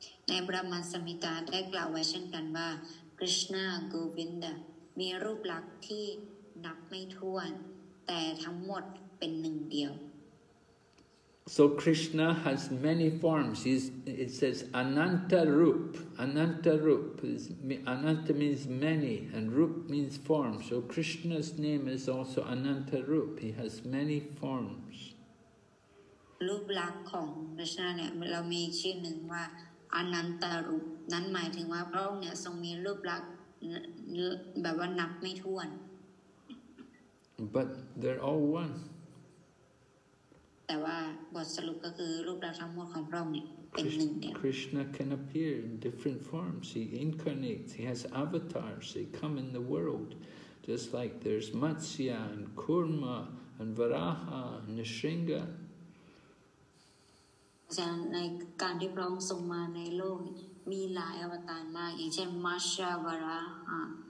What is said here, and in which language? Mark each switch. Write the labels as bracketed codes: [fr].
[th] ในบรมสัมมิตาได้กล่าวไว้เช่นกันว่าคริชนาโกวินดามีรูปลักษณ์ที่นับไม่ถ้วนแต่ทั้งหมดเป็นหนึ่งเดียว [en] So Krishna has many forms. It says ananta rup. Ananta rup. Ananta means many and rup means form. So Krishna's name is also ananta rup. He has many forms. [th] รูปลักษณ์ของคริชนาเนี่ยเรามีชื่อหนึ่งว่าอนันตรูปนั้นหมายถึงว่าพระองค์เนี่ยทรงมีรูปลักษณ์แบบว่านับไม่ถ้วน [en] But they're all one [th] แต่ว่าบทสรุปก็คือรูปลักษณ์ทั้งหมดของพระองค์เนี่ยเป็นหนึ่งเดียว [en] Krishna can appear in different forms. He incarnates. He has avatars. They come in the world, just like there's Matsya and Kurma and Varaha and Nrisimha. [th] ในการที่พระองค์ทรงมาในโลกมีหลายอวตารมากอย่างเช่นมัชชาวราหะ